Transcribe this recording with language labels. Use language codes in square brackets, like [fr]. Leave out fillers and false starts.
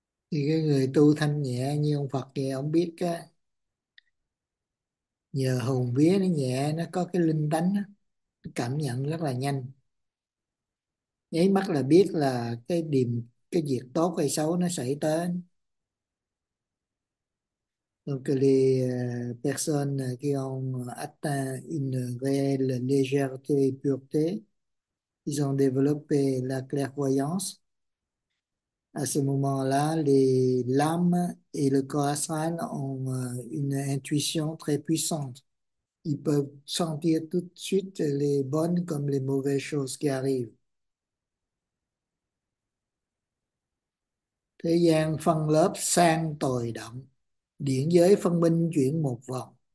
[vi] Thì cái người tu thanh nhẹ như ông Phật thì ông biết á, nhờ hồn vía nó nhẹ, nó có cái linh tánh nó cảm nhận rất là nhanh, nháy mắt là biết là cái điềm, cái việc tốt hay xấu nó xảy tới. [fr] Donc les personnes qui ont atteint une réelle légèreté et pureté, ils ont développé la clairvoyance. À ce moment-là, les l'âme et le corps astral ont une intuition très puissante. Ils peuvent sentir tout de suite les bonnes comme les mauvaises choses qui arrivent. [vi] Thế gian phân lớp sanh tội động, điển giới phân minh chuyển một vòng.